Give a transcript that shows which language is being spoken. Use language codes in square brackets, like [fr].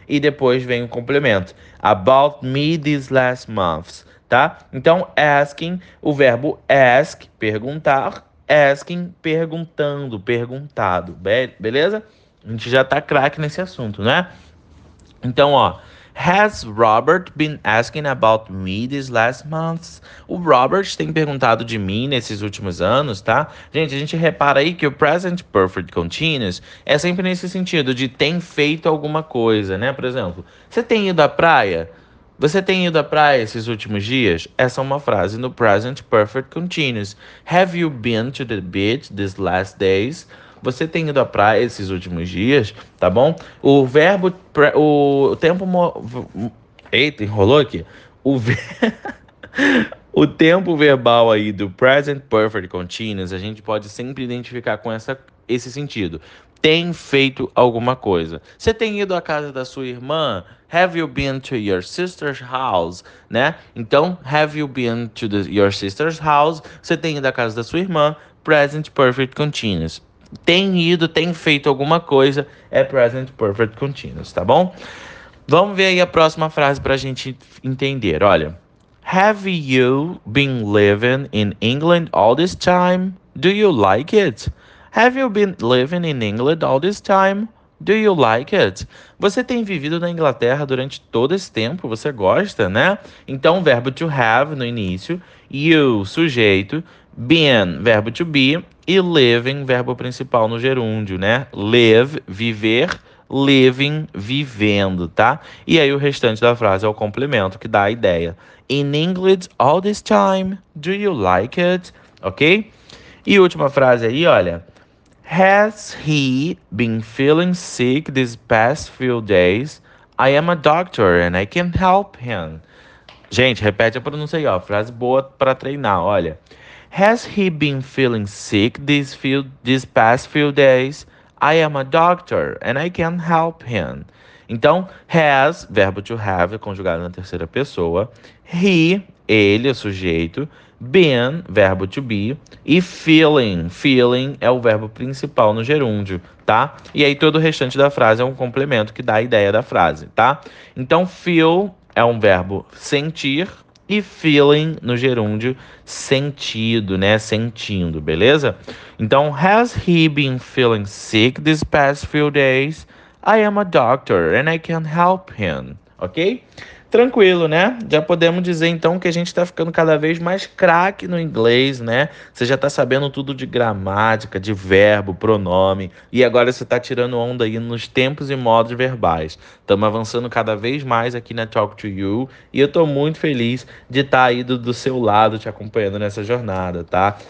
[pt] E depois vem o complemento, [en] about me these last months, [pt] tá? Então, asking, o verbo ask, perguntar. Asking, perguntando, perguntado. Beleza? A gente já tá craque nesse assunto, né? Então, ó. [en] Has Robert been asking about me these last months? [pt] O Robert tem perguntado de mim nesses últimos anos, tá? Gente, a gente repara aí que o present perfect continuous é sempre nesse sentido de tem feito alguma coisa, né? Por exemplo, você tem ido à praia? Você tem ido à praia esses últimos dias? Essa é uma frase no present perfect continuous. [en] Have you been to the beach these last days? [pt] Você tem ido à praia esses últimos dias, tá bom? O verbo. O tempo. Eita, enrolou aqui. O tempo verbal aí do present perfect continuous, a gente pode sempre identificar com esse sentido. Tem feito alguma coisa. Você tem ido à casa da sua irmã? [en] Have you been to your sister's house? Né? Então, have you been to your sister's house? [pt] Você tem ido à casa da sua irmã? Present perfect continuous. Tem ido, tem feito alguma coisa, é present perfect continuous, tá bom? Vamos ver aí a próxima frase para a gente entender. [en] Olha, have you been living in England all this time? Do you like it? Have you been living in England all this time? Do you like it? [pt] Você tem vivido na Inglaterra durante todo esse tempo? Você gosta, né? Então, verbo to have no início, you, sujeito, been, verbo to be, e living, verbo principal no gerúndio, né? Live, viver, living, vivendo, tá? E aí o restante da frase é o complemento que dá a ideia. [en] In England all this time, do you like it? Ok? [pt] E última frase aí, olha. [en] Has he been feeling sick these past few days? I am a doctor and I can help him. [pt] Gente, repete a pronúncia aí, ó. Frase boa para treinar, olha. [en] Has he been feeling sick these past few days? I am a doctor and I can help him. [pt] Então, has, verbo to have, conjugado na terceira pessoa. He, ele, o sujeito. Been, verbo to be. E feeling, feeling é o verbo principal no gerúndio, tá? E aí todo o restante da frase é um complemento que dá a ideia da frase, tá? Então, feel é um verbo sentir. E feeling no gerúndio, sentido, né? Sentindo, beleza? [en] Então, has he been feeling sick these past few days? I am a doctor and I can help him. [pt] Ok? Tranquilo, né? Já podemos dizer então que a gente está ficando cada vez mais craque no inglês, né? Você já está sabendo tudo de gramática, de verbo, pronome, e agora você está tirando onda aí nos tempos e modos verbais. Estamos avançando cada vez mais aqui na Talk to You, e eu estou muito feliz de estar aí do seu lado te acompanhando nessa jornada, tá?